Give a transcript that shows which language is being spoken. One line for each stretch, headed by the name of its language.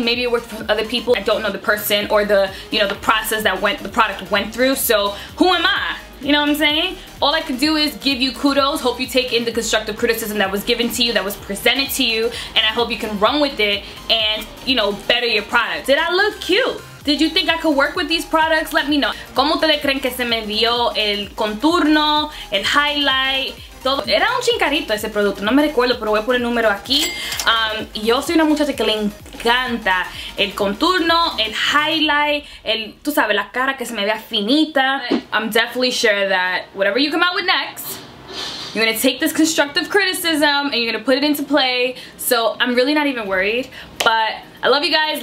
English: Maybe it worked for other people. I don't know the person or the, you know, the process that the product went through. So who am I? You know what I'm saying? All I can do is give you kudos. Hope you take in the constructive criticism that was given to you, that was presented to you, and I hope you can run with it and, you know, better your product. Did I look cute? Did you think I could work with these products? Let me know.
Spanish: ¿Cómo ustedes creen que se me vio el contorno, el highlight? Era un chingarito ese producto, no me recuerdo, pero voy a poner el número aquí. Yo soy una muchacha que le encanta el contorno, el highlight, el, tú sabes, la cara que se me vea finita.
English: I'm definitely sure that whatever you come out with next, you're gonna take this constructive criticism and you're gonna put it into play. So I'm really not even worried, but I love you guys.